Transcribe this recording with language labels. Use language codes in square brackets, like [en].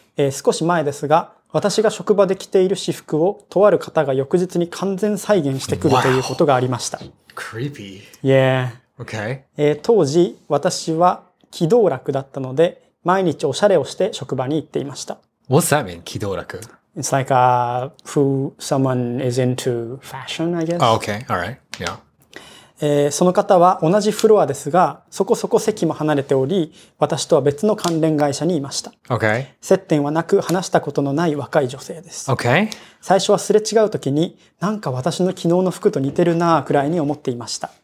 [ja] 少し前ですが、私が職場で着ている私服をとある方が翌日に完全再現してくる、wow. ということがありました。 [en] Creepy. Yeah. Okay. [ja] 当時私は気道楽だったので毎日おしゃれをして職場に行っていました。 [en] What's that mean? 気道楽。 It's like who someone is into fashion, I guess. Oh, okay. All right. Yeah. [ja] その方は同じフロアですが、そこそこ席も離れており、私とは別の関連会社にいました。 [en] Okay. [ja] 接点はなく、話したことのない若い女性です。 [en] Okay. [ja] 最初はすれ違うときに、なんか私の昨日の服と似てるなぁくらいに思っていました。